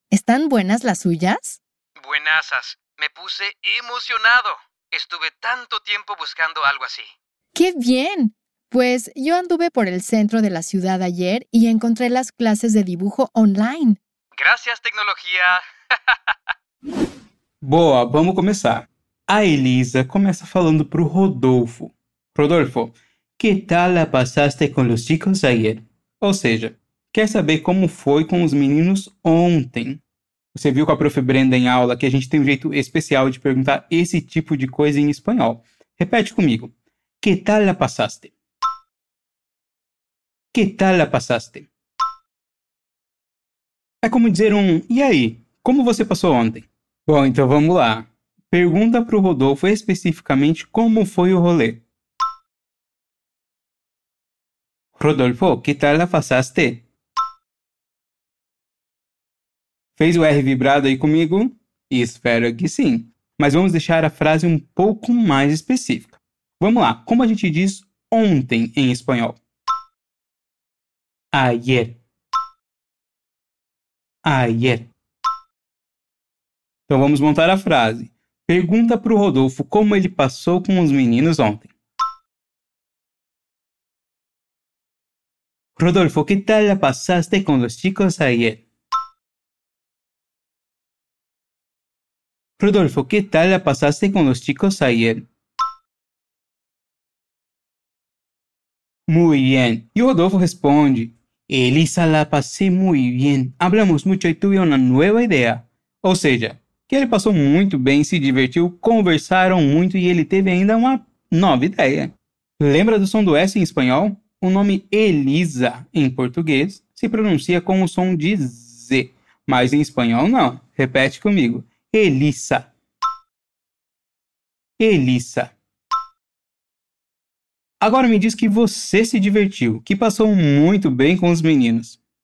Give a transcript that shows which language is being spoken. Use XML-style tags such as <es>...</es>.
<es>¿Están buenas las suyas? Buenasas. Me puse emocionado. Estuve tanto tiempo buscando algo así. ¡Qué bien! Pues yo anduve por el centro de la ciudad ayer y encontré las clases de dibujo online. Gracias, tecnología.</es> <pt>Boa, vamos começar. A Elisa começa falando pro Rodolfo.</pt> <es>Rodolfo, ¿qué tal la pasaste con los chicos ayer?</es> <pt>Ou seja, quer saber como foi com os meninos ontem. Você viu com a Prof. Brenda em aula que a gente tem um jeito especial de perguntar esse tipo de coisa em espanhol. Repete comigo.</pt> <es>¿Qué tal la pasaste? ¿Qué tal la pasaste?</es> <pt>É como dizer e aí, como você passou ontem? Bom, então vamos lá. Pergunta para o Rodolfo especificamente como foi o rolê.</pt> <es>Rodolfo, ¿qué tal la pasaste?</es> <pt>Fez o R vibrado aí comigo? Espero que sim. mas vamos deixar a frase um pouco mais específica. Vamos lá, como a gente diz ontem em espanhol? Ayer. Ayer. Então vamos montar a frase. Pergunta para o Rodolfo como ele passou com os meninos ontem.</pt> <es>Rodolfo, ¿qué tal la pasaste con los chicos ayer? Rodolfo, ¿qué tal la pasaste con los chicos ayer? Muy bien. Y Rodolfo responde, Elisa, la pasé muy bien. Hablamos mucho y tuve una nueva idea. O sea, que él pasó muy bien, se divertió, conversaron mucho y él</es> <pt>teve ainda</pt> <es>una nueva idea. ¿Lembra del son do S en español?</es> <pt>O nome Elisa, em português, se pronuncia com o som de Z, mas em espanhol não. Repete comigo. Elisa.</pt> <es>Elisa.</es> <pt>Agora me diz que você se divertiu, que passou muito bem com os meninos.</pt>